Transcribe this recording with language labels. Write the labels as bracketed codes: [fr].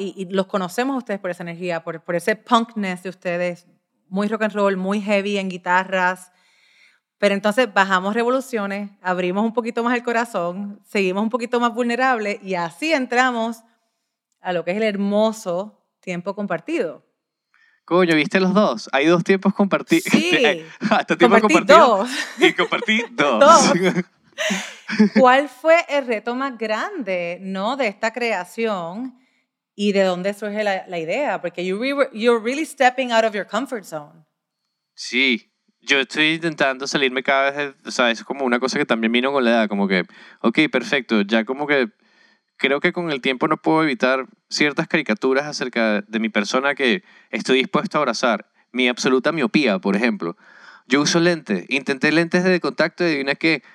[es] Y los conocemos a ustedes por esa energía, por ese punkness de ustedes, muy rock and roll, muy heavy en guitarras, pero entonces bajamos revoluciones, abrimos un poquito más el corazón, seguimos un poquito más vulnerables y así entramos a lo que es el hermoso tiempo compartido. Coño, ¿viste los dos? Hay dos tiempos compartidos. Sí, hasta tiempo compartí dos. Y compartí dos. ¿Cuál fue el reto más grande, ¿no?, de esta creación y de dónde surge la idea? Porque [en] you're really stepping out of your comfort zone. [es] Sí, yo estoy intentando salirme cada vez, o sea, es como una cosa que también vino con la edad, como que, ok, perfecto, ya como que creo que con el tiempo no puedo evitar ciertas caricaturas acerca de mi persona que estoy dispuesto a abrazar. Mi absoluta miopía, por ejemplo. Yo uso lentes. Intenté lentes de contacto y adivina qué.